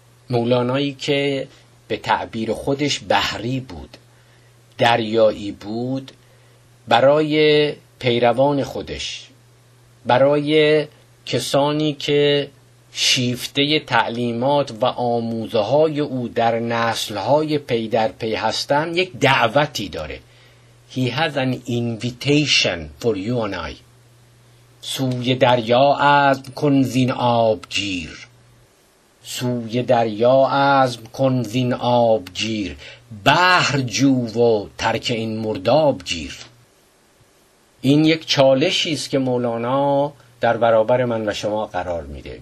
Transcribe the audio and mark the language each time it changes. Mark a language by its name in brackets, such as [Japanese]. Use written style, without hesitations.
[Persian] مولانایی که به تعبیر خودش بحری بود، دریایی بود، برای پیروان خودش، برای کسانی که شیفته تعلیمات و آموزه‌های او در نسل‌های پی در پی هستند، یک دعوتی داره. [English] He has an invitation for you and I. [Persian] سوی دریا عزم کن زین آبگیر، سوی دریا عزم کن زین آبگیر، بحر جو و ترک این مرداب گیر. این یک چالشی است که مولانا در برابر من و شما قرار میده.